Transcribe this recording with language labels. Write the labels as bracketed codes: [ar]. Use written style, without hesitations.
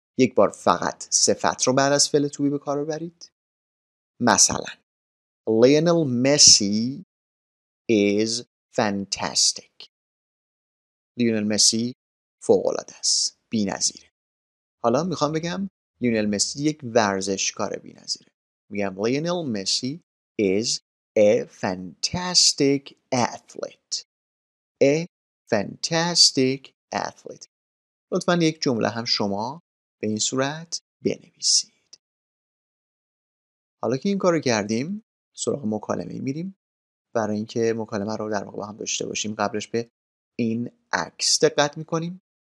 [fa] یک بار فقط صفت رو بعد از فعل تو بی به کار ببرید. مثلا لیونل مسی [en] is fantastic. [fa] لیونل مسی فوق‌العاده است، بی نظیره. حالا میخوام بگم لیونل مسی یک ورزشکار بی نظیره. میگم [en] Lionel Messi is a fantastic athlete. A fantastic athlete. [fa] لطفاً یک جمله هم شما به این صورت بنویسید. حالا که این کار رو کردیم، سراغ مکالمه میریم. برای اینکه مکالمه رو در واقع با هم داشته باشیم، قبلش به این عکس دقت میکنیم.